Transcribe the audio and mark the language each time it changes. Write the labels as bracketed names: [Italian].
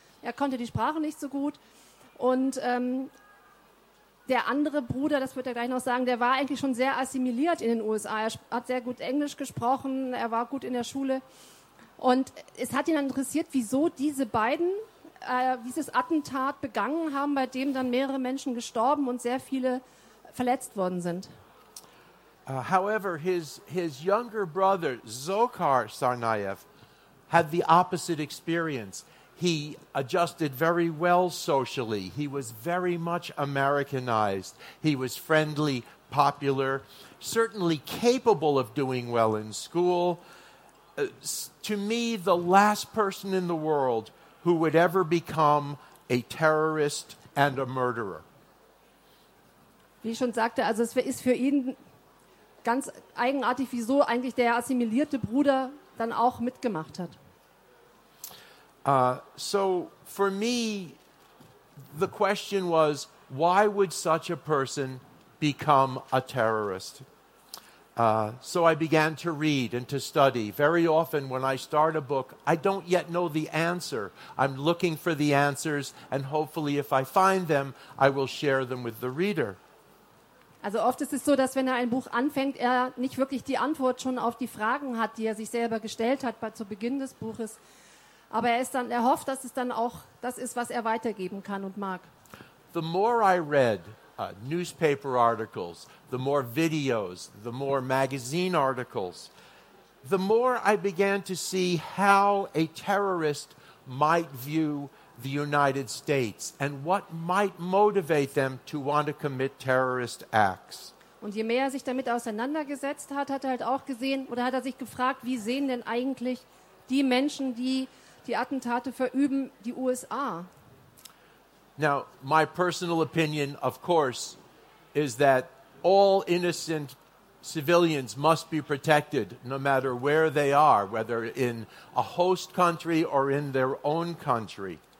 [German] Er konnte die Sprache nicht so gut. Und der andere Bruder, das wird er gleich noch sagen, der war eigentlich schon sehr assimiliert in den USA. Er hat sehr gut Englisch gesprochen, er war gut in der Schule. Und es hat ihn dann interessiert, wieso diese beiden dieses Attentat begangen haben, bei dem dann mehrere Menschen gestorben und sehr viele verletzt worden sind. [English] However, his younger brother, Zokar Tsarnaev, had the opposite experience. He adjusted very well socially. He was very much Americanized. He was friendly, popular, certainly capable of doing well in school. To me, the last person in the world who would ever become a terrorist and a murderer. [German] Wie ich schon sagte, also es ist für ihn ganz eigenartig, wieso eigentlich der assimilierte Bruder dann auch mitgemacht hat. [English] So for me, the question was, why would such a person become a terrorist? So I began to read and to study. Very often when I start a book, I don't yet know the answer. I'm looking for the answers, and hopefully if I find them, I will share them with the reader. [German] Also oft ist es so, dass wenn er ein Buch anfängt, er nicht wirklich die Antwort schon auf die Fragen hat, die er sich selber gestellt hat zu Beginn des Buches. Aber er hofft, dass es dann auch das ist, was er weitergeben kann und mag. [English] The more I read newspaper articles, the more videos, the more magazine articles, the more I began to see how a terrorist might view the United States and what might motivate them to want to commit terrorist acts. [German] Und je mehr er sich damit auseinandergesetzt hat, hat er halt auch gesehen, oder hat er sich gefragt, wie sehen denn eigentlich die Menschen, die die Attentate verüben, die USA? [English] Now, my personal opinion, of course, is that all innocent civilians must be protected, no matter where they are, whether in a host country or in their own country.